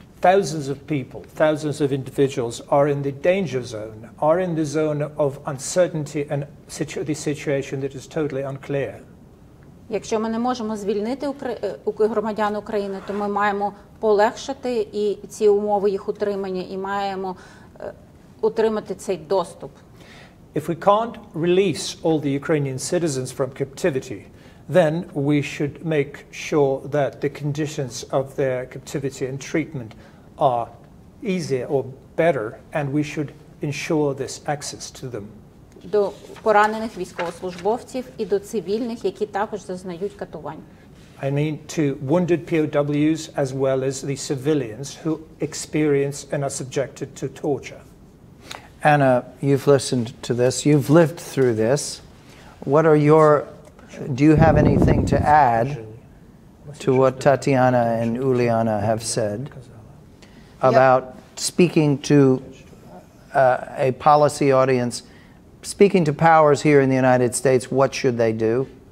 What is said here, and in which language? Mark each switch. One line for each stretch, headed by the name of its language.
English: Thousands of people, thousands of individuals are in the danger zone, are in the zone of uncertainty and the situation that is totally unclear.
Ukrainian: Якщо ми не можемо звільнити громадян України, то ми маємо полегшити і ці умови їх утримання, і маємо утримати цей доступ.
English: If we can't release all the Ukrainian citizens from captivity, then we should make sure that the conditions of their captivity and treatment are easier or better, and we should ensure this access to them.
Ukrainian: До поранених військовослужбовців і до цивільних, які також зазнають катувань.
English: I mean to wounded POWs as well as the civilians who experience and are subjected to torture. Anna, you've listened to this, you've lived through this. What are your, do you have anything to add to what Tetyana and Uliana have said about speaking to a policy audience, speaking to powers here in the United States, what should they do?